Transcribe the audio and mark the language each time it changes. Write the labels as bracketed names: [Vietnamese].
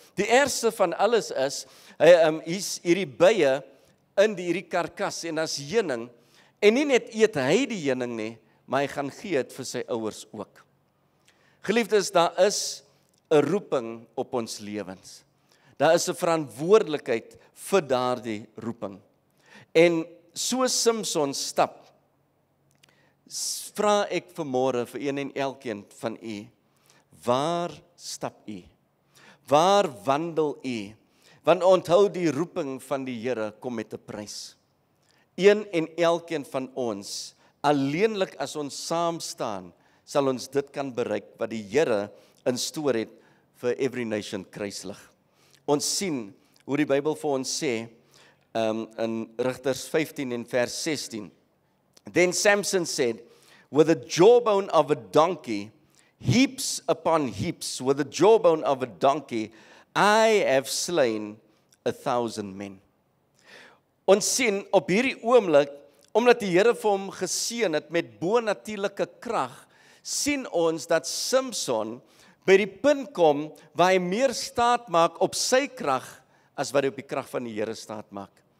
[Afrikaans] Die ergste van alles is, hy is hierdie bye in hierdie karkas en as heuning. En nie net eet hy die heuning nie, maar hy gaan gee dit vir sy ouers ook. Geliefdes, daar is 'n roeping op ons lewens. Daar is 'n verantwoordelikheid vir daardie roeping. En so Simpson stap, vra ek vanmôre vir een en elkeen van u, waar stap u? Waar wandel u? Want onthou die roeping van die Here kom met 'n prys. Een en elkeen van ons, alleenlik as ons saam staan, sal ons dit kan bereik wat die Here in stoor het vir [English] every nation [Afrikaans] kruislig. Ons sien hoe die Bybel vir ons sê in Rigters 15 en vers 16. [English] Then Samson said, with the jawbone of a donkey, heaps upon heaps, with the jawbone of a donkey, I have slain 1,000 men. [Afrikaans] Ons sien op hierdie oomblik, omdat die Here vir hom geseën het met bonatuurlike krag, sien ons dat Samson by die punt kom waar hy meer staat maak op sy krag as wat hy op die krag van die Here staat maak.